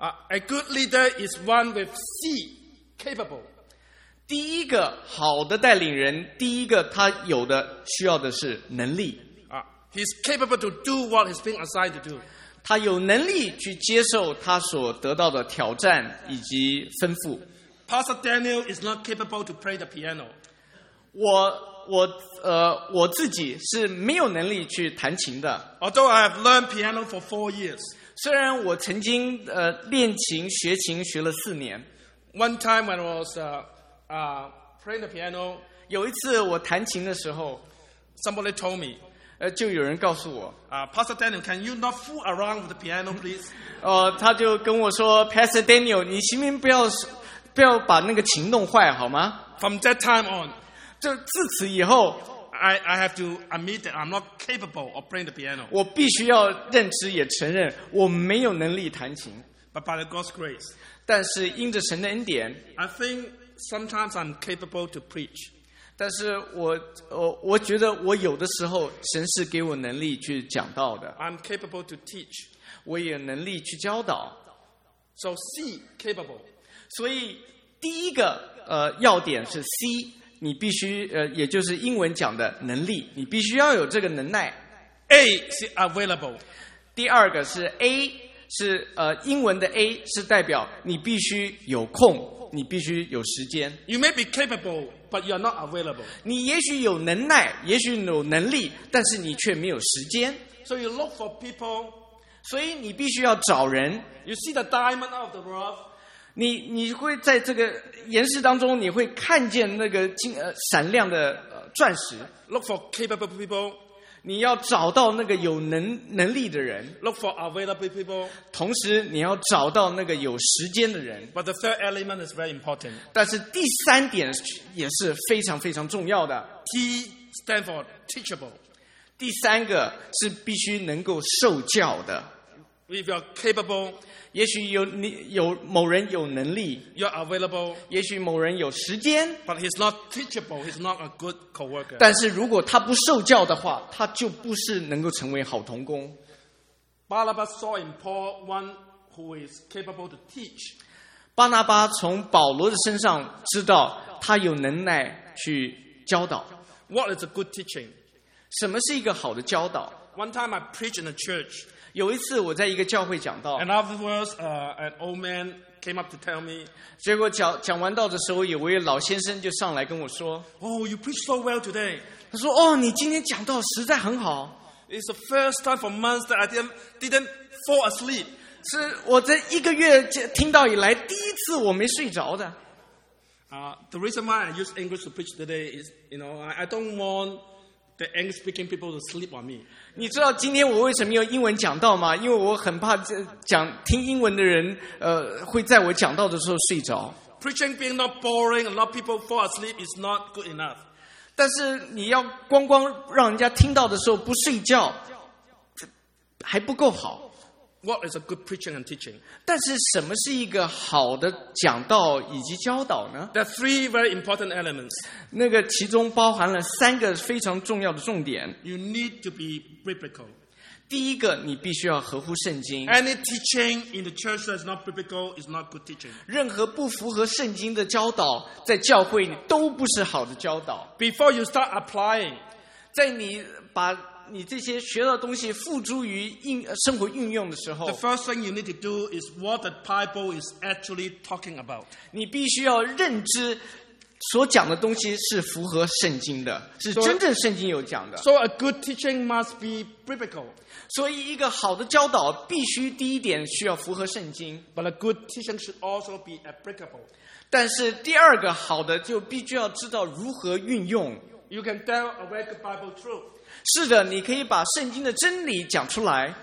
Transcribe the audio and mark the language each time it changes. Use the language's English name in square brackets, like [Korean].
[English] A good leader is one with C, capable. [Chinese] 第一个好的带领人，第一个他有的需要的是能力。 [English] He's capable to do what he's been assigned to do. [Chinese] 他有能力去接受他所得到的挑战以及吩咐。 [English] Pastor Daniel is not capable to play the piano. [Chinese] 我自己是没有能力去弹琴的。 [English] Although I have learned piano for 4 years. [Chinese] 虽然我曾经练琴学琴学了4年。 [English] One time when I was playing the piano, [Chinese] 有一次我弹琴的时候 [English] ,somebody told me, [Chinese] 就有人告诉我 [English] Pastor Daniel, can you not fool around with the piano, please? [Chinese] 他就跟我说 ,Pastor Daniel, 你行不行不要把那个琴弄坏好吗 [English] ?From that time on, [Chinese] 就自此以后 [English] I have to admit that I'm not capable of playing the piano. [Chinese] 我必须要认知也承认我没有能力弹琴。 [English] But by the God's grace, [Chinese] 但是因着神的恩典 [English] I think sometimes I'm capable to preach. [Chinese] 但是我觉得我有的时候神是给我能力去讲道的。 [English] I'm capable to teach. [Chinese] 我也能力去教导。 [English] So C, capable. [Chinese] 所以第一个要点是 C,你必须也就是英文讲的能力，你必须要有这个能耐。 [English] A is available. [Chinese] 第二个是 A 是英文的 A 是代表你必须有空，你必须有时间。 [English] You may be capable, but you are not available. [Chinese] 你也许有能耐，也许有能力，但是你却没有时间。 [English] So you look for people. [Chinese] 所以你必须要找人。 [English] You see the diamond out of the rough. [Chinese] 你会在这个岩石当中，你会看见那个金闪亮的钻石。 [English] Look for capable people. [Chinese] 你要找到那个有能力的人。 [English] Look for available people. [Chinese] 同时你要找到那个有时间的人。 [English] But the third element is very important. [Chinese] 但是第三点也是非常非常重要的。 [English] T stand for teachable. [Chinese] 第三个是必须能够受教的。 [English] If you are capable, [Chinese] 也许有某人有能力。 [English] You are available, [Chinese] 也许某人有时间。 [English] But he's not teachable, he's not a good coworker. [Chinese] 但是如果他不受教的话，他就不是能够成为好同工。 [English] Barnabas saw in Paul one who is capable to teach. [Chinese] 巴拿巴从保罗的身上知道他有能耐去教导。 [English] What is a good teaching? [Chinese] 什么是一个好的教导？ [English] One time I preached in a church. [Chinese] 有一次我在一个教会讲道， [English] and afterwards, an old man came up to tell me. [Chinese] 结果讲完道的时候，有位老先生就上来跟我说， [English] "Oh, you preach so well today." [Chinese] 他说，哦，你今天讲道实在很好。 [English] It's the first time for months that I didn't fall asleep. [Chinese] 是我这一个月听到以来第一次我没睡着的。 [English] The reason why I use English to preach today is, you know, I don't want. The English-speaking people to sleep on me. [Chinese] 你知道今天我为什么用英文讲道吗？因为我很怕讲听英文的人，会在我讲道的时候睡着。 [English] Preaching being not boring and not people fall asleep is not good enough. [Chinese] 但是你要光让人家听到的时候不睡觉，还不够好。 [English] What is a good preaching and teaching? [Chinese] 但是什么是一个好的讲道以及教导呢？ [English] There are three very important elements. [Chinese] 那个其中包含了三个非常重要的重点。 [English] You need to be biblical. [Chinese] 第一个，你必须要合乎圣经。 [English] Any teaching in the church that is not biblical is not good teaching. [Chinese] 任何不符合圣经的教导，在教会都不是好的教导。 [English] Before you start applying, [Chinese] 在你把你这些学到的东西付诸于生活运用的时候， [English] The first thing you need to do is what the Bible is actually talking about. [Chinese] 你必须要认知所讲的东西是符合圣经的，是真正圣经有讲的。 [English] So a good teaching must be biblical. [Chinese] 所以一个好的教导必须第一点需要符合圣经。 [English] But a good teaching should also be applicable. [Chinese] 但是第二个好的就必须要知道如何运用。 [English] You can tell a very good Bible truth. [Chinese] 是的，你可以把圣经的真理讲出来。